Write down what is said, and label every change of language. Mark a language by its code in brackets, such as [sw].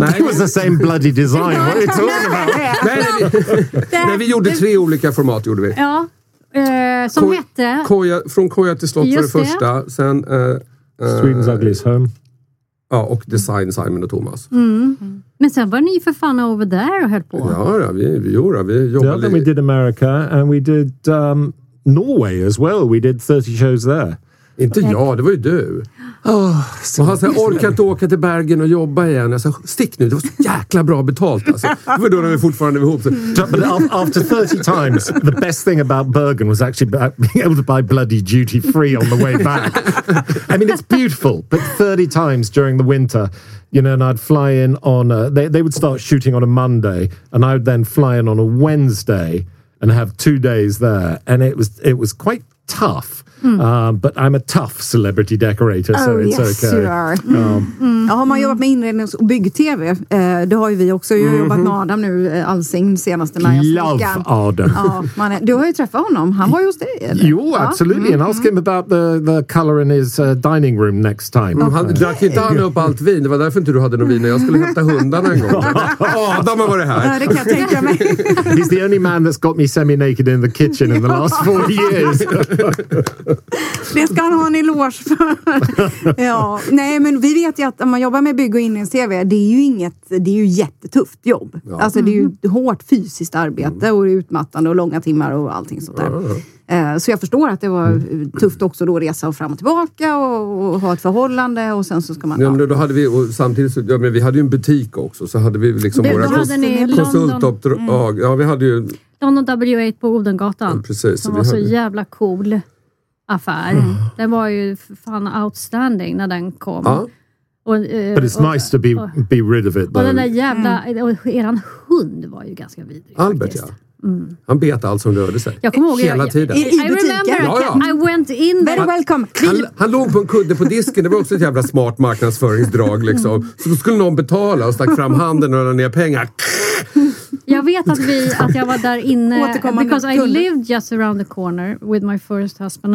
[en] Nej, it was the same bloody design. What are you talking about? [sv] Nej, vi gjorde tre olika format gjorde vi. Ja, som hette... Från koja till slott för det första. Sen, [en] Sweden's Ugliest Home. [sv] Ja, och design Simon och Thomas. Mm. Men sen var ni för fan [en] over there [sv] och höll på. Ja, vi gjorde det. Vi jobbade... [en] Yeah, then we did America and we did... Norway as well. We did 30 shows there. [sv] Inte jag, det var ju du. Oh, så jag orkar inte åka till Bergen och jobba igen. Jag sa, stick nu, det var så jäkla bra betalt. Alltså. Det var då när vi fortfarande var ihop. [en] But after 30 times, the best thing about Bergen was actually being able to buy bloody duty free on the way back. I mean, it's beautiful, but 30 times during the winter, you know, and I'd fly in on a... They would start shooting on a Monday, and I would then fly in on a Wednesday... And have 2 days there, and it was quite tough. But I'm a tough celebrity decorator, so oh, it's yes, okay. You are. [sv] Ja, har man jobbat med inrednings- och bygg-tv, det har ju vi också. Jag har jobbat med Adam nu, Allsing, senaste när jag snackade. Love Adam. Ja, man är, du har ju träffat honom, han var ju hos dig. Eller? [en] Jo, absolutely, and ask him about the color in his dining room next time. Okay. [sv] Han drack inte han upp allt vin, det var därför inte du hade någon vin, jag skulle hämta hundarna en gång. Adam har varit här. Ja, det kan jag tänka mig. [en] He's the only man that's got me semi-naked in the kitchen in the last 40 years. [sv] Det ska han ha en eloge för. Ja, nej, men vi vet ju att om man jobbar med bygg och inredningscv, det är ju inget, det är ju jättetufft jobb. Ja. Alltså det är ju hårt fysiskt arbete och det är utmattande och långa timmar och allting sånt där. Så jag förstår att det var tufft också då att resa fram och tillbaka och ha ett förhållande och sen så ska man... Ja, men då hade vi, och samtidigt så, ja, men vi hade ju en butik också, så hade vi liksom våra konsultuppdrag. Ja, vi hade ju... London W8 på Odengatan. Ja, precis. Som var så jävla cool affär. Den var ju fan outstanding när den kom. Ja. [en] But it's nice to be rid of it. [sv] Och den där jävla... Mm. Och eran hund var ju ganska vidrig. Albert, faktiskt. Ja. Mm. Han bet allt som rörde sig. Jag kommer ihåg, hela tiden. [en] I went in there. Very welcome. [sv] Han låg på en kudde på disken. Det var också ett jävla smart marknadsföringsdrag. Liksom. Så då skulle någon betala och stack fram handen och rädda ner pengar. Jag vet att jag var där inne. [en] Because I lived just around the corner with my first husband.